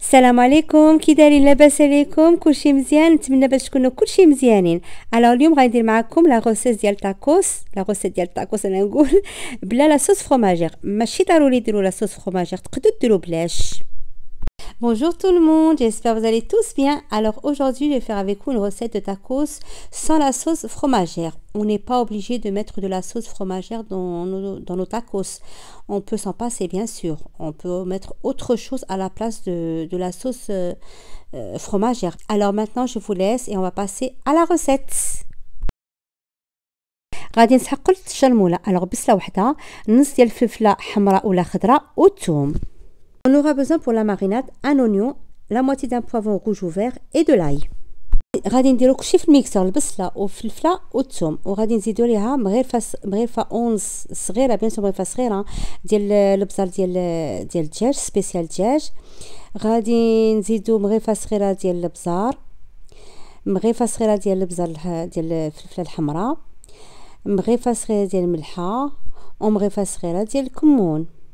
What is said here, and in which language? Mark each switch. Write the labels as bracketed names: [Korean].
[Arabic] السلام عليكم، كي داير؟ لاباس عليكم؟ كلشي مزيان؟ نتمنى باش تكونوا كلشي مزيانين. الو، اليوم غادي ندير معكم لا غوسيس ديال تاكوس. لا غوسيس ديال تاكوس انا نقول بلا لا صوص فروماجير. ماشي ضروري ديروا لا صوص فروماجير، تقدروا ديروا بلاش. [French] Bonjour tout le monde, j'espère que vous allez tous bien. Alors aujourd'hui, je vais faire avec vous une recette de tacos sans la sauce fromagère. On n'est pas obligé de mettre de la sauce fromagère dans nos tacos. On peut s'en passer, bien sûr. On peut mettre autre chose à la place de la sauce fromagère. Alors maintenant, je vous laisse et on va passer à la recette. [Arabic] غادي نسحق الشلمولة. Alors بصلة واحدة، نص ديال الفلفلة حمراء ولا خضراء، والثوم. [French] On aura besoin pour la marinade un oignon, la moitié d'un poivron rouge ou vert et de l'ail. [Arabic] غادي نديرو كلشي في الميكسر، البصله والفلفله والثوم، وغادي نزيدو ليها مغرفه اونص صغيره، بيان سو مغرفه صغيره ديال البزار ديال الدجاج، سبيسيال دجاج. غادي نزيدو مغرفه صغيره ديال البزار، مغرفه صغيره ديال البزار ديال الفلفله الحمراء، مغرفه صغيره ديال الملحه، ومغرفه صغيره ديال الكمون.